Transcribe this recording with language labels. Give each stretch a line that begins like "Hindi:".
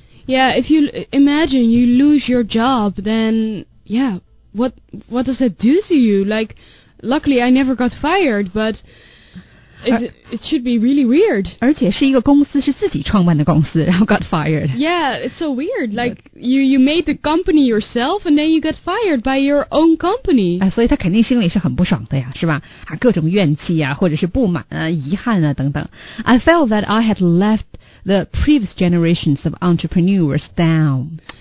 English: Yeah, if you imagine you lose your job, then yeah, what does that do to you? Like, luckily I never got fired, but it should be really weird.
Chinese: 而且是一个公司是自己创办的公司，然后
English: got fired. Yeah, it's so weird. Like you made the company yourself, and then you got fired by your own company.
Chinese: 啊，所以他肯定心里是很不爽的呀，是吧？啊，各种怨气呀，或者是不满啊、遗憾啊等等。
English: I felt that I had left the previous generations of entrepreneurs down.